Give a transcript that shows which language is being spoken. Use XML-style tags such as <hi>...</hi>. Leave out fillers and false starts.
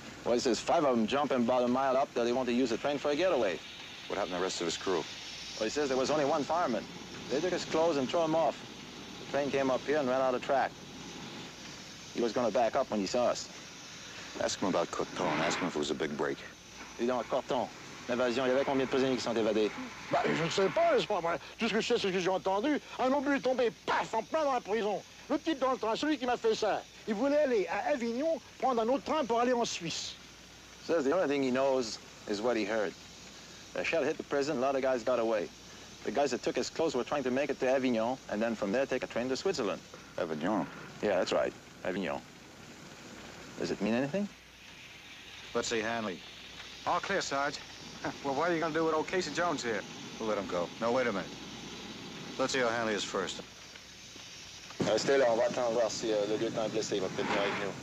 <en>Well, he says five of them jumping about a mile up, that they want to use the train for a getaway. What happened to the rest of his crew? Well, he says there was only one fireman. They took his clothes and threw him off. The train came up here and ran out of track. He was going to back up when he saw us. Ask him about Coton. Ask him if it was a big break. You don't know, Coton.</en> <fr>L'invasion, il y avait combien de prisonniers qui sont évadés? Bah, je ne sais pas, n'est-ce pas, moi. Tout ce que je sais, c'est ce que j'ai entendu. Un obus est tombé, paf, en plein dans la prison. Le type dans le train, celui qui m'a fait ça, il voulait aller à Avignon prendre un autre train pour aller en Suisse.</fr> <en>He says the only thing he knows is what he heard. The shell hit the prison, a lot of guys got away. The guys that took his clothes were trying to make it to Avignon, and then from there take a train to Switzerland. Avignon? Yeah, that's right, Avignon. Does it mean anything? Let's see, Hanley. All clear, Sarge. Well, what are you going to do with old Casey Jones here? We'll let him go. No, wait a minute. Let's see how Hanley is first.</en> <fr>Restez là, on va attendre voir si le lieutenant est blessé. Il va peut-être venir avec nous.</fr>